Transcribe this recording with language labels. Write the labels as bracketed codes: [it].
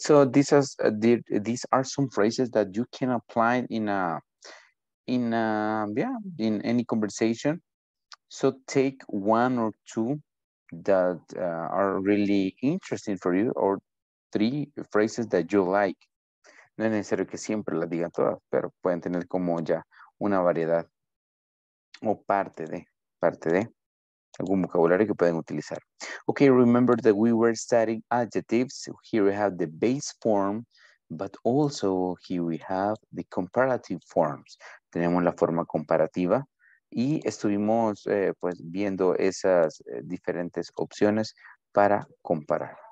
[en] So this is these are some phrases that you can apply in any conversation. So take one or two that are really interesting for you, or three phrases that you like. [es] No es necesario que siempre las digan todas, pero pueden tener como ya una variedad o parte de. Algún vocabulario que pueden utilizar. [en] Okay, remember that we were studying adjectives. Here we have the base form, but also here we have the comparative forms. [es] Tenemos la forma comparativa y estuvimos pues viendo esas diferentes opciones para comparar.